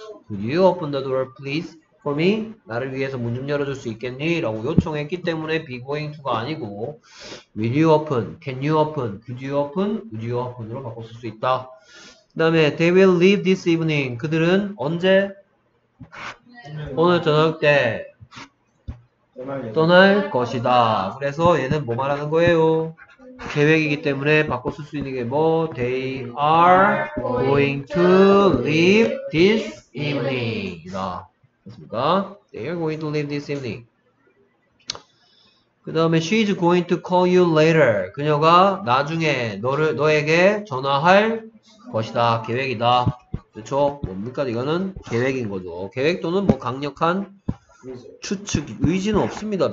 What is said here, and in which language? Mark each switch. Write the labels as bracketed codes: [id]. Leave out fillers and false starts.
[en] Could you open the door please for me? [ko] 나를 위해서 문 좀 열어줄 수 있겠니? 라고 요청했기 때문에 be going to가 아니고 [en] Will you open, can you open, [ko] could you open, would you open으로 바꿔 쓸 수 있다. 그 다음에 [en] They will leave this evening. [ko] 그들은 언제? 오늘 저녁 때 떠날 것이다. 그래서 얘는 뭐 말하는 거예요? 계획이기 때문에 바꿔 쓸 수 있는 게 뭐? [en] They are going to leave this evening이다. [ko] 맞습니까? [en] They are going to leave this evening. [ko] 그 다음에 [en] she is going to call you later. [ko] 그녀가 나중에 너에게 전화할 것이다. 계획이다. 그렇죠? 뭡니까? 이거는 계획인 거죠. 계획 또는 뭐 강력한 추측, 의지는 없습니다.